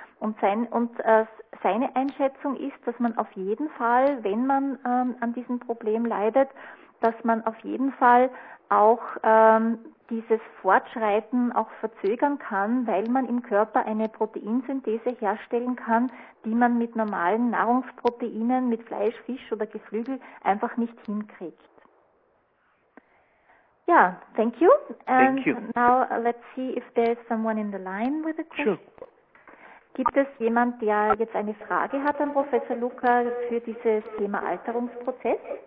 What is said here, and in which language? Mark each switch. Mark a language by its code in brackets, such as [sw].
[de] Und seine Einschätzung ist, dass man auf jeden Fall, wenn man an diesem Problem leidet, dass man auf jeden Fall auch dieses Fortschreiten auch verzögern kann, weil man im Körper eine Proteinsynthese herstellen kann, die man mit normalen Nahrungsproteinen, mit Fleisch, Fisch oder Geflügel einfach nicht hinkriegt. [en] Ja, thank you. And thank you. Now let's see if there is someone in the line with a question. Sure. [de] Gibt es jemand, der jetzt eine Frage hat an Professor Luca für dieses Thema Alterungsprozess?